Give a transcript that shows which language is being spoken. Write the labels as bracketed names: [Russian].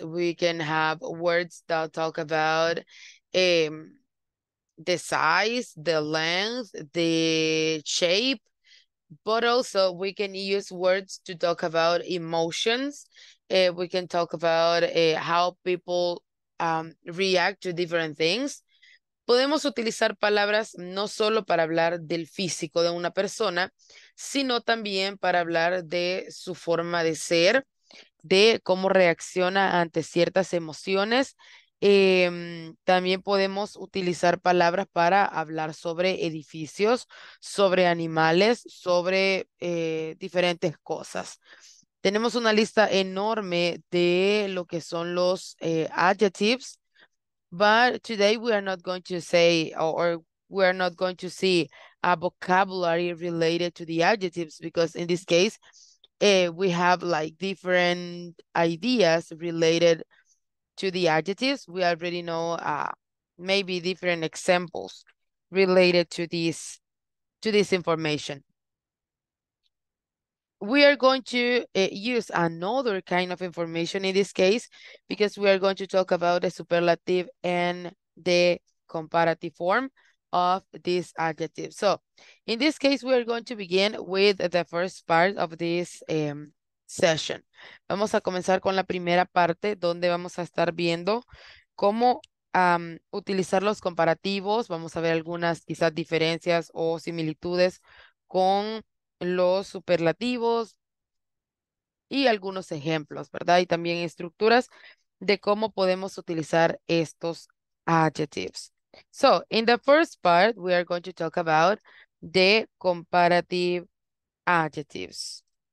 [English] We can have words that talk about the size, the length, the shape, but also we can use words to talk about emotions. We can talk about how people react to different things. [Spanish] Podemos utilizar palabras no solo para hablar del físico de una persona, sino también para hablar de su forma de ser, de cómo reacciona ante ciertas emociones. También podemos utilizar palabras para hablar sobre edificios, sobre animales, sobre diferentes cosas. Tenemos una lista enorme de lo que son los [English] adjectives, but today we are not going to say or we are not going to see a vocabulary related to the adjectives, because in this case we have like different ideas related to the adjectives. We already know maybe different examples related to this information. We are going to use another kind of information in this case, because we are going to talk about the superlative and the comparative form of this adjective. So in this case, we are going to begin with the first part of this session. [Spanish] Vamos a comenzar con la primera parte, donde vamos a estar viendo cómo utilizar los comparativos. Vamos a ver algunas quizás diferencias o similitudes con los superlativos y algunos ejemplos, ¿verdad? Y también estructuras de cómo podemos utilizar estos adjectives. [English] So, in the first part, we are going to talk about the comparative adjectives.